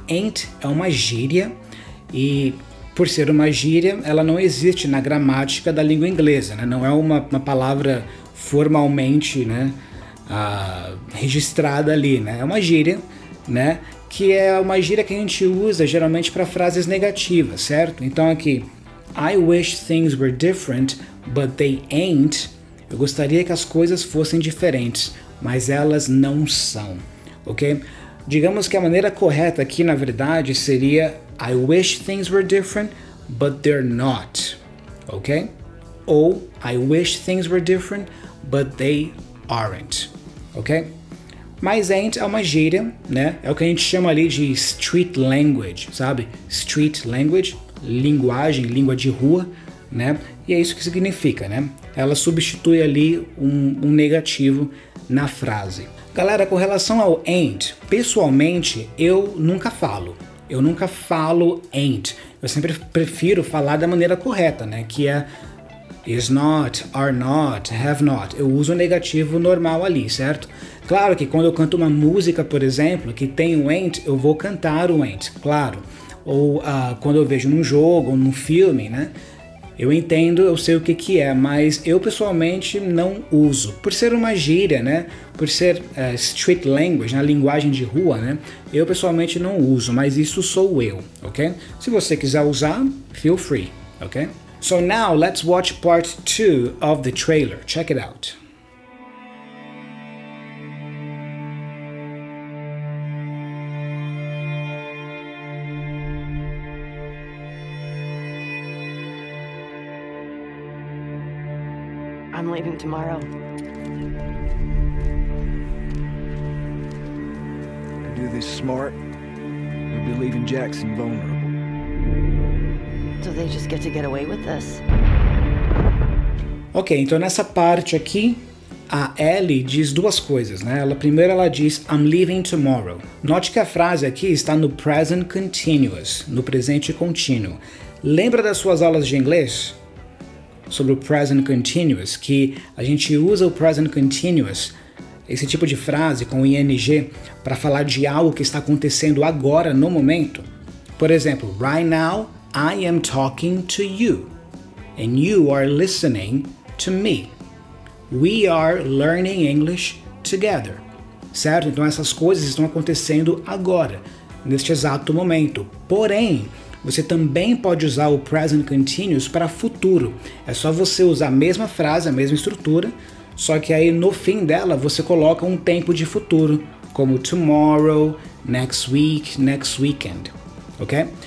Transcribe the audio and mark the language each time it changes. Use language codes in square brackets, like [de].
[pt] Ain't é uma gíria e, por ser uma gíria, ela não existe na gramática da língua inglesa, né? Não é uma palavra formalmente, né, registrada ali, né? É uma gíria, né, que é uma gíria que a gente usa geralmente para frases negativas, certo? Então aqui, [en] I wish things were different, but they ain't. [pt] Eu gostaria que as coisas fossem diferentes, mas elas não são, ok? Digamos que a maneira correta aqui, na verdade, seria [en] I wish things were different, but they're not, [pt] ok? Ou, [en] I wish things were different, but they aren't, ok? [pt] Mas ain't é uma gíria, né? É o que a gente chama ali de [en] street language, [pt] sabe? [en] Street language, [pt] linguagem, língua de rua, né? E é isso que significa, né? Ela substitui ali um negativo na frase. Galera, com relação ao ain't, pessoalmente, eu nunca falo. Eu nunca falo ain't. Eu sempre prefiro falar da maneira correta, né? Que é [en] is not, are not, have not. [pt] Eu uso o negativo normal ali, certo? Claro que quando eu canto uma música, por exemplo, que tem o ain't, eu vou cantar o ain't, claro. Ou quando eu vejo num jogo, num filme, né? Eu entendo, eu sei o que que é, mas eu pessoalmente não uso. Por ser uma gíria, né? Por ser street language, na linguagem de rua, né? Eu pessoalmente não uso, mas isso sou eu, ok? Se você quiser usar, [en] feel free, [pt] ok? [en] So now, let's watch part 2 of the trailer. Check it out. I'm leaving tomorrow. If you do this smart, you'll be leaving Jackson vulnerable. So they just get to get away with this. [pt] Okay, então nessa parte aqui, a Ellie diz duas coisas, né? Primeiro ela diz, [en] I'm leaving tomorrow. [pt] Note que a frase aqui está no present continuous, no presente contínuo. Lembra das suas aulas de inglês? Sobre o present continuous, que a gente usa o present continuous, esse tipo de frase com ing, para falar de algo que está acontecendo agora, no momento. Por exemplo, [en] right now, I am talking to you, and you are listening to me. We are learning English together. [pt] Certo? Então essas coisas estão acontecendo agora, neste exato momento. Porém, você também pode usar o present continuous para futuro. É só você usar a mesma frase, a mesma estrutura, só que aí no fim dela você coloca um tempo de futuro, como [en] tomorrow, next week, next weekend. [pt] Ok?